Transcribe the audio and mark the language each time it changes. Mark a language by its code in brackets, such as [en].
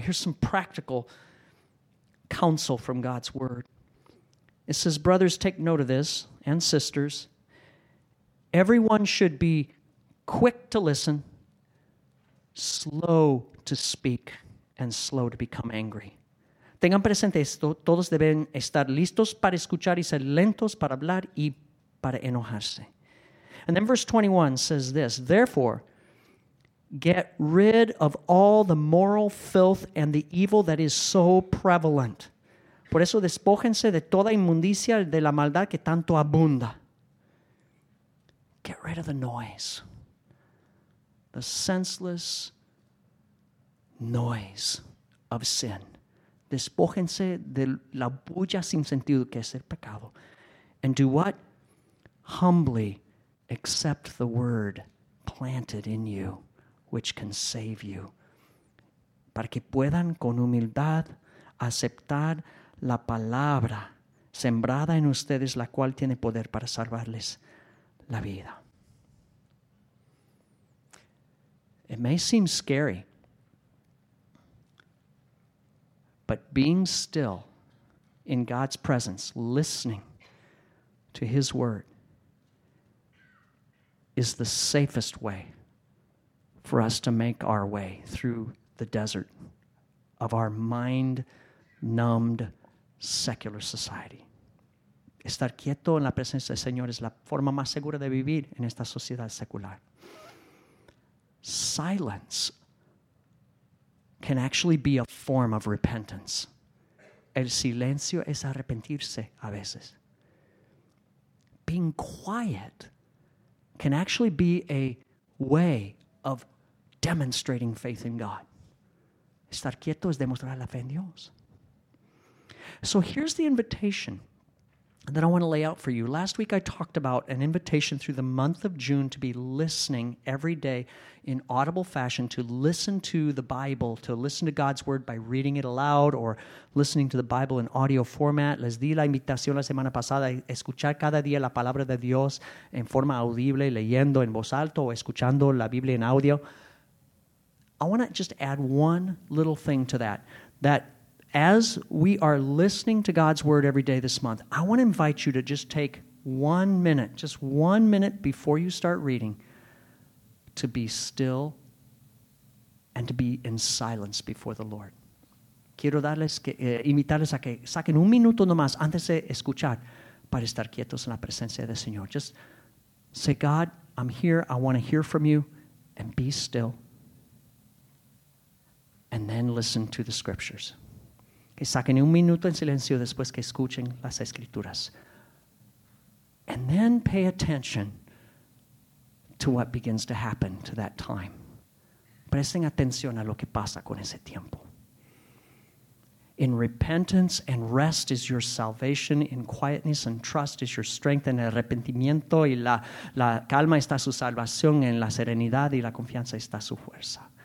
[en] Here's some practical counsel from God's Word. It says, brothers, take note of this, and sisters. Everyone should be quick to listen, slow to speak, and slow to become angry. [es] Tengan presente esto. Todos deben estar listos para escuchar y ser lentos para hablar y para enojarse. [en] And then verse 21 says this, therefore, get rid of all the moral filth and the evil that is so prevalent. [es] Por eso despójense de toda inmundicia de la maldad que tanto abunda. [en] Get rid of the noise. The senseless noise of sin. [es] Despójense de la bulla sin sentido que es el pecado. [en] And do what? Humbly accept the word planted in you, which can save you. [es] Para que puedan con humildad aceptar la palabra sembrada en ustedes, la cual tiene poder para salvarles la vida. [en] It may seem scary, but being still in God's presence, listening to His word, is the safest way for us to make our way through the desert of our mind-numbed secular society. [es] Estar quieto en la presencia del Señor es la forma más segura de vivir en esta sociedad secular. [en] Silence can actually be a form of repentance. [es] El silencio es arrepentirse a veces. [en] Being quiet can actually be a way of demonstrating faith in God. [es] Estar quieto es demostrar la fe en Dios. [en] So here's the invitation that I want to lay out for you. Last week I talked about an invitation through the month of June to be listening every day in audible fashion, to listen to the Bible, to listen to God's word by reading it aloud or listening to the Bible in audio format. [es] Les di la invitación la semana pasada a escuchar cada día la palabra de Dios en forma audible, leyendo en voz alta o escuchando la Biblia en audio. [en] I want to just add one little thing to that, that as we are listening to God's word every day this month, I want to invite you to just take 1 minute, just 1 minute before you start reading, to be still and to be in silence before the Lord. [es] Quiero darles que, invitarles a que saquen un minuto nomás antes de escuchar para estar quietos en la presencia del Señor. [en] Just say, God, I'm here. I want to hear from you, and be still. And then listen to the scriptures. [es] Que saquen un minuto en silencio después que escuchen las escrituras. [en] And then pay attention to what begins to happen to that time. [es] Presten atención a lo que pasa con ese tiempo. [en] In repentance and rest is your salvation. In quietness and trust is your strength. [es] En arrepentimiento y la calma está su salvación. En la serenidad y la confianza está su fuerza.